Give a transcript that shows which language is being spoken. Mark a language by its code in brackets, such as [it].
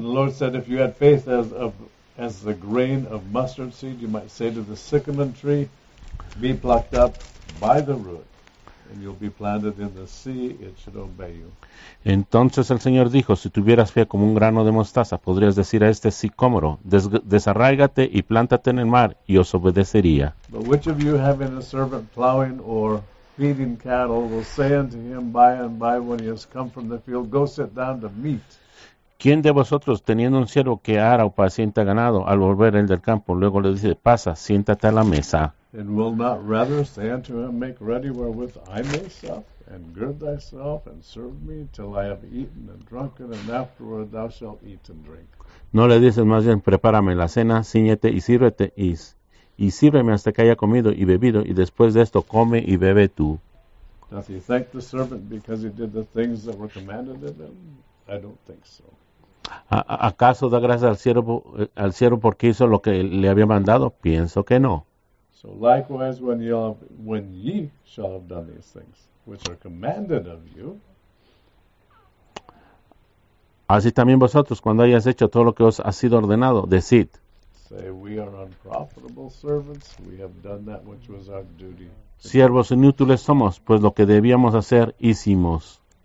[en] The Lord said, if you had faith as the grain of mustard seed, you might say to the sycamore tree, be plucked up by the root, and you'll be planted in the sea, it should obey you. [es] Entonces el Señor dijo, si tuvieras fe como un grano de mostaza, podrías decir a este sicómoro, desarráigate y plántate en el mar, y os obedecería. [en] But which of you having a servant plowing or feeding cattle will say unto him by and by when he has come from the field, go sit down to meat? [es] ¿Quién de vosotros, teniendo un siervo que ara o pacienta ganado, al volver él del campo, luego le dice, pasa, siéntate a la mesa? [en] And will not rather say unto him, make ready wherewith I may sup, and gird thyself, and serve me till I have eaten and drunken, and afterward thou shalt eat and drink? [es] ¿No le dices más bien, prepárame la cena, ciñete y sírvete, y sírveme hasta que haya comido y bebido, y después de esto come y bebe tú? [en] Doth he thank the servant because he did the things that were commanded of him? I don't think so. [es] ¿Acaso da gracias al siervo porque hizo lo que le había mandado? Pienso que no. [en] So likewise, when ye shall have done these things which are commanded of you. [es] Así también vosotros, cuando hayas hecho todo lo que os ha sido ordenado, decid. [en] Say, we are unprofitable servants. We have done that which was our duty. [es] Siervos inútiles somos, pues lo que debíamos hacer, hicimos.